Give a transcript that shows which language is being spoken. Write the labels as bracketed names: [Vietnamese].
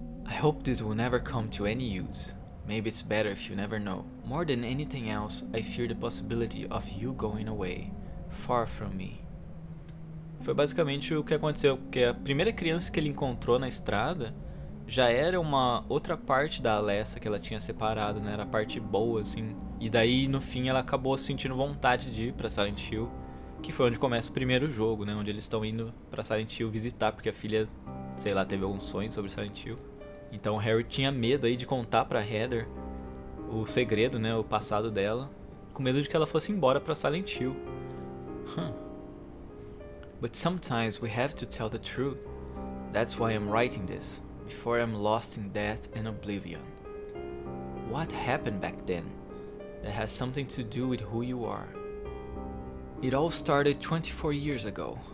[English] I hope this will never come to any use. Maybe it's better if you never know. More than anything else, I fear the possibility of you going away. Far from me. [Portuguese] Foi basicamente o que aconteceu, porque a primeira criança que ele encontrou na estrada já era uma outra parte da Alessa que ela tinha separado, né? Era a parte boa, assim. E daí, no fim, ela acabou sentindo vontade de ir pra Silent Hill, que foi onde começa o primeiro jogo, né? Onde eles estão indo pra Silent Hill visitar, porque a filha, sei lá, teve algum sonho sobre Silent Hill. Então o Harry tinha medo aí de contar pra Heather o segredo, né? O passado dela, com medo de que ela fosse embora pra Silent Hill. [English] But sometimes we have to tell the truth. That's why I'm writing this. Before I'm lost in death and oblivion. What happened back then? That has something to do with who you are. It all started 24 years ago.